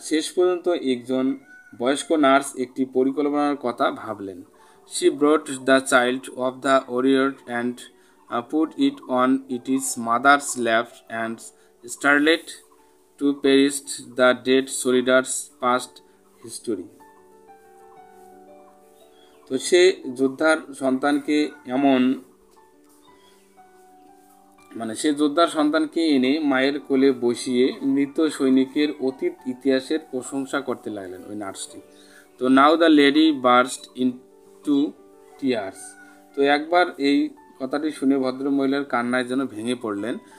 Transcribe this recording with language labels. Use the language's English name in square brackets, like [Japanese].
[Bangla] শেষ পর্যন্ত একজন বয়স্ক নার্স একটি পরিকল্পনার কথা ভাবলেন। [English] She brought the child of the warrior and put it on its mother's lap and started to paste the dead soldier's past history. [Bangla] তো সে যোদ্ধার সন্তানকে এমন, মানে সে যোদ্ধার সন্তানকে এনে মায়ের কোলে বসিয়ে মৃত সৈনিকের অতীত ইতিহাসের প্রশংসা করতে লাগলেন ওই নার্সটি। তো [English] now the lady burst into tears, [Bangla] তো একবার এই কথাটি শুনে ভদ্রমহিলার কান্নায় যেন ভেঙে পড়লেন।